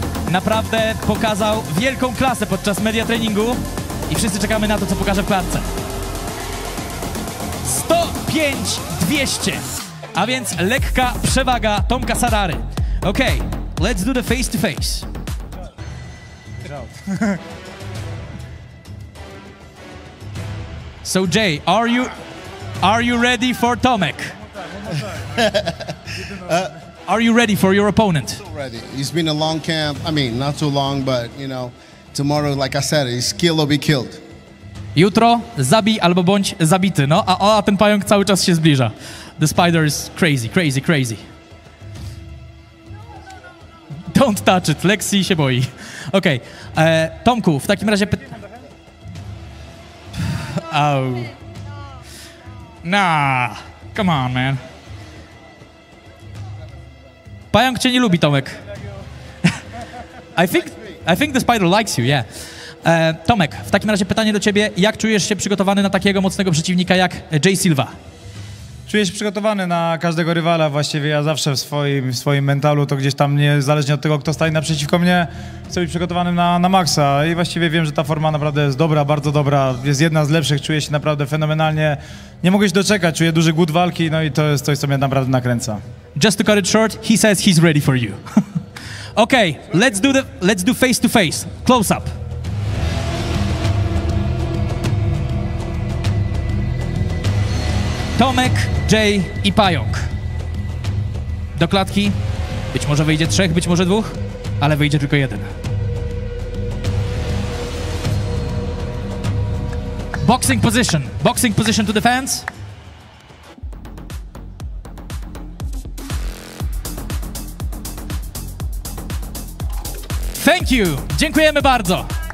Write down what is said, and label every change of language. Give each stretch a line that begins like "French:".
Polish: Naprawdę pokazał wielką klasę podczas media treningu i wszyscy czekamy na to, co pokaże w klatce. 105-200, a więc lekka przewaga Tomka Sarary.
English: Okej, okay, let's do the face to face. So Jay, are you ready for Tomek? Are you ready for your opponent? So ready. It's been a long camp. I mean, not too long, but you know, tomorrow, like I said, it's kill or be killed.
Polish: Jutro zabij albo bądź zabity. No, a ten pająk cały czas się zbliża.
English: The spider is crazy, crazy, crazy. Don't touch it.
Polish: Lexi się boi. Okay. Tomku, w takim razie.
English: Oh. Nah. Come on, man.
Polish: Pająk cię nie lubi, Tomek.
English: I think the spider likes you, yeah.
Polish: Tomek, w takim razie pytanie do ciebie. Jak czujesz się przygotowany na takiego mocnego przeciwnika jak Jay Silva? Czuję się przygotowany na każdego rywala. Właściwie ja zawsze w swoim mentalu to gdzieś tam, niezależnie od tego, kto stanie naprzeciwko mnie, chcę być przygotowany na maksa. I właściwie wiem, że ta forma naprawdę jest dobra, bardzo dobra. Jest jedna z lepszych, czuję się naprawdę fenomenalnie. Nie mogę się doczekać, czuję duży głód walki, no i to jest coś, co mnie naprawdę nakręca.
English: Just to cut it short, he says he's ready for you. Okay, let's do face to face, close up.
Polish: Tomek, Jay i Pająk. Do klatki. Być może wyjdzie trzech, być może dwóch, ale wyjdzie tylko jeden.
English: Boxing position to defense. Thank you.
Polish: Dziękujemy bardzo.